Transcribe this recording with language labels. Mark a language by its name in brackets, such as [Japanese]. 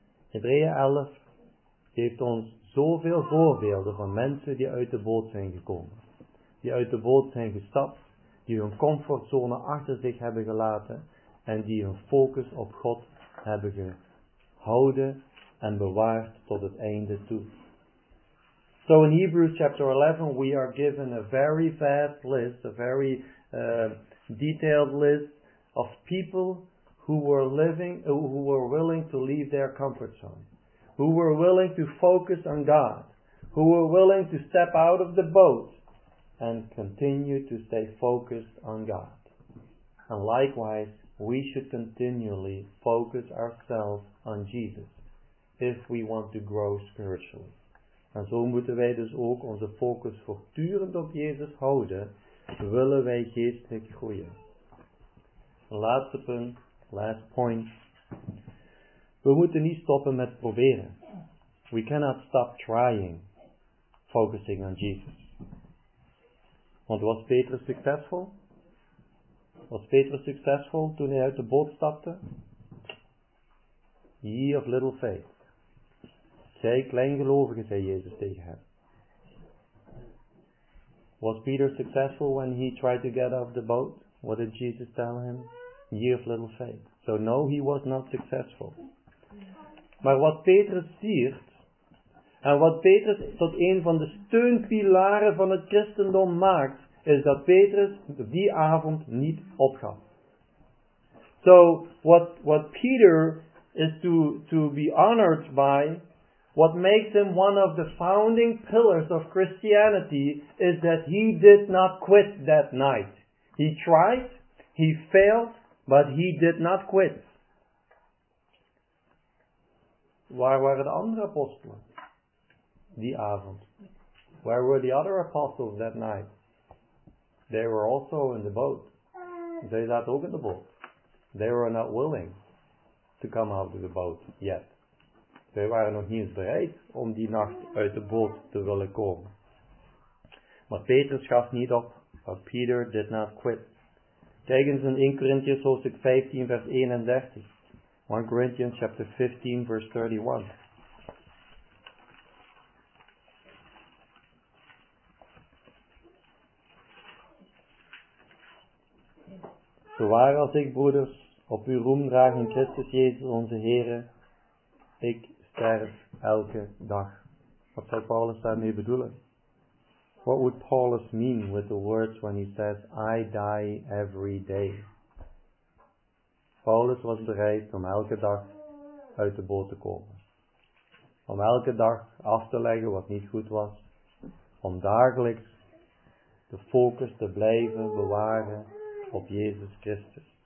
[Dutch] Hebreeën 11 geeft ons zoveel voorbeelden van mensen die uit de boot zijn gekomen, die uit de boot zijn gestapt, die hun comfortzone achter zich hebben gelaten en die hun focus op God hebben gehouden en bewaard tot het einde toe. [English] So in Hebrews chapter 11 we are given a very fast list, a very detailed list, of people who were living, who were willing to leave their comfort zone, who were willing to focus on God, who were willing to step out of the boat and continue to stay focused on God. And likewise, we should continually focus ourselves on Jesus if we want to grow spiritually. [Dutch] En zo moeten wij dus ook onze focus voortdurend op Jezus houden, willen wij geestelijk groeien. Laatste punt, [English] last point. [Dutch] We moeten niet stoppen met proberen. [English] We cannot stop trying, focusing on Jesus. [Dutch] Want was Petrus succesvol? Was Petrus succesvol toen hij uit de boot stapte? [English] Ye of little faith. [Dutch] Zij kleingelovigen, zei Jezus tegen hem. [English] Was Peter successful when he tried to get off the boat? What did Jesus tell him? Ye of little faith. So no, he was not successful. [Dutch] Maar wat Petrus viert, en wat Petrus tot een van de steunpilaren van het christendom maakt, is dat Petrus die avond niet opgaf. [English] So, what Peter is to be honored by, what makes him one of the founding pillars of Christianity, is that he did not quit that night. He tried, he failed, but he did not quit. [Dutch] Waar waren de andere apostelen die avond? [English] Where were the other apostles that night? They were also in the boat. They [Dutch] zaten ook in [English] the boat. They were not willing to come out of the boat yet. They [Dutch] waren nog niet eens bereid om die nacht uit de boot te willen komen. Maar Petrus gaf niet op, [English] but Peter did not quit. [Dutch] Kijk eens in 1 Corinthians hoofdstuk 15 vers 31. [English] 1 Corinthians chapter 15 verse 31. [Dutch] Zo waar als ik, broeders, op uw roem draag in Christus Jezus onze Heere, ik sterf elke dag. Wat zou Paulus daarmee bedoelen? [English] What would Paulus mean with the words when he says, I die every day? [Dutch] Paulus was bereid om elke dag uit de boot te komen. Om elke dag af te leggen wat niet goed was. Om dagelijks de focus te blijven bewaren op Jezus Christus.